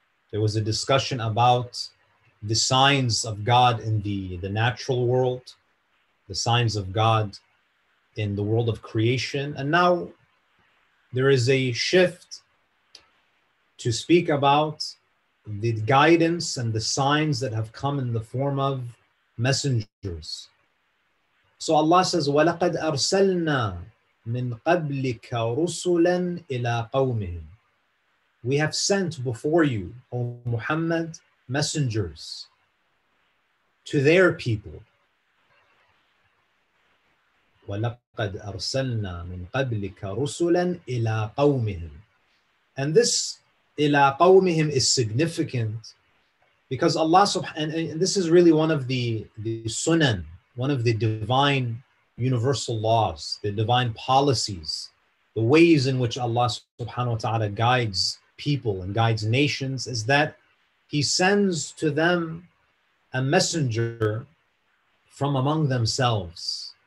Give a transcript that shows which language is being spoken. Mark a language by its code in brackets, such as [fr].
[en] There was a discussion about the signs of God in the natural world, the signs of God in the world of creation. And now there is a shift to speak about the guidance and the signs that have come in the form of messengers. So Allah says, [ar] وَلَقَدْ أَرْسَلْنَا مِنْ قَبْلِكَ رُسُلًا إِلَىٰ قَوْمِهِمْ. [en] We have sent before you, O Muhammad, messengers to their people. [ar] وَلَقَدْ أَرْسَلْنَا مِنْ قَبْلِكَ رُسُلًا إِلَىٰ قَوْمِهِمْ. [en] And this [ar] إِلَىٰ قَوْمِهِمْ [en] is significant because Allah subhanahu, and this is really one of the sunan, one of the divine universal laws, the divine policies, the ways in which Allah subhanahu wa ta'ala guides people and guides nations, is that He sends to them a messenger from among themselves.